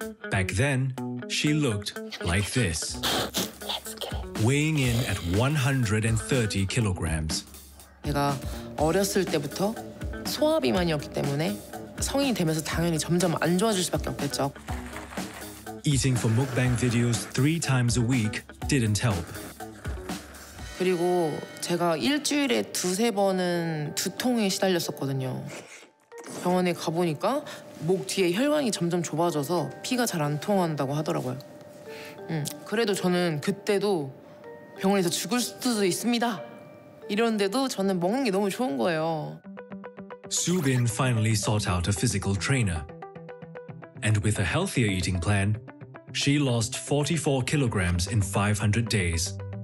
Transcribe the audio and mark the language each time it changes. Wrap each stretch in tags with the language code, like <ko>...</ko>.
<en>Back then, she looked like this, weighing in at 130 kilograms.</en> <ko>제가 어렸을 때부터 소아비만이었기 때문에 성인이 되면서 당연히 점점 안 좋아질 수밖에 없겠죠.</ko> <en>Eating for mukbang videos 3 times a week didn't help.</en> <ko>그리고 제가 일주일에 두세 번은 두통에 시달렸었거든요. 병원에 가보니까 목 뒤에 혈관이 점점 좁아져서 피가 잘 안 통한다고 하더라고요. 그래도 저는 그때도 병원에서 죽을 수도 있습니다. 이런데도 저는 먹는 게 너무 좋은 거예요.</ko> <en>Soo Bin finally sought out a physical trainer. And with a healthier eating plan, she lost 44 kilograms in 500 days.</en>